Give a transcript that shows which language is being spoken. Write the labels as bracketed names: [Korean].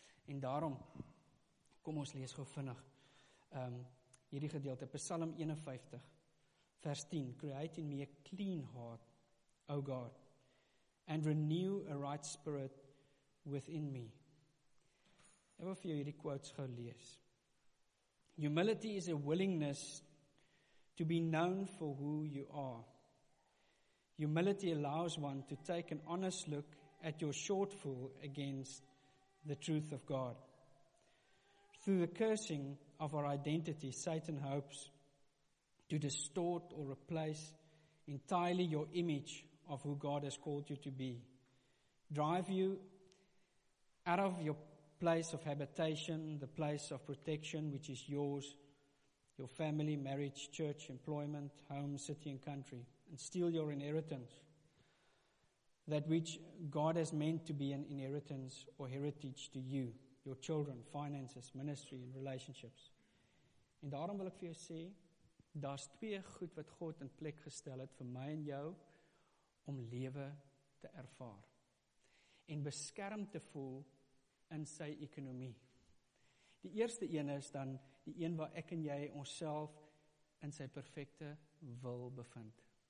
[Afrikaans] En daarom, kom ons lees gou vinnig hierdie gedeelte, Psalm 51 vers 10, [English] create in me a clean heart, O God, and renew a right spirit within me. [Afrikaans] Ek wil vir jou hierdie quotes gou lees. [English] Humility is a willingness to be known for who you are. Humility allows one to take an honest look at your shortfall against the truth of God. Through the cursing of our identity, Satan hopes to distort or replace entirely your image of who God has called you to be, drive you out of your place of habitation, the place of protection which is yours, your family, marriage, church, employment, home, city and country, and steal your inheritance, that which God has meant to be an inheritance or heritage to you, your children, finances, ministry and relationships. [Afrikaans] En daarom wil ek vir jou sê, daar's twee goed wat God in plek gestel het vir my en jou om lewe te ervaar en beskerm te voel in sy ekonomie. Die eerste een is dan die een waar ek en jy onsself in sy perfekte wil bevind.